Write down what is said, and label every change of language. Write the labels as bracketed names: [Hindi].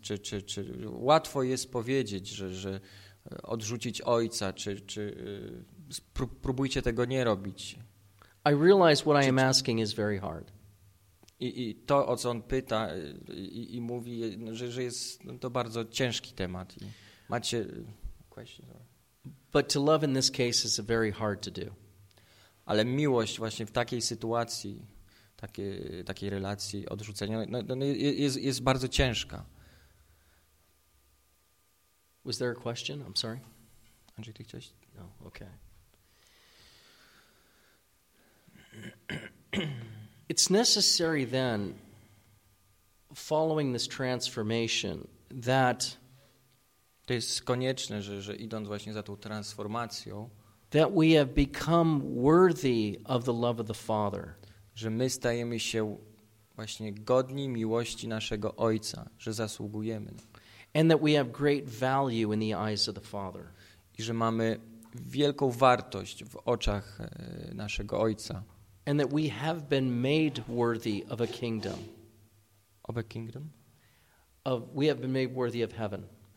[Polish] Czy łatwo jest powiedzieć, że odrzucić ojca, czy próbujcie tego nie robić? [English] I realize what I am asking is very hard. [Polish] I to, o co on pyta i mówi, że jest to bardzo ciężki temat. Macie question. [English] But to love in this case is very hard to do. [Polish] Ale miłość właśnie w takiej sytuacji, takiej relacji odrzucenia, jest bardzo ciężka. [English] Was there a question? I'm sorry. [Polish] Andrzej, ty chciałeś? [English] No, okay. It's necessary then, following this transformation, that [Polish] to jest konieczne, że idąc właśnie za tą transformacją, [English] that we have become worthy of the love of the Father. [Polish] Że my stajemy się właśnie godni miłości naszego Ojca, że zasługujemy. [English] And that we have great value in the eyes of the Father. [Polish] I że mamy wielką wartość w oczach naszego Ojca. [English] And that we have been made worthy of a kingdom. Of a kingdom? We have been made worthy of heaven.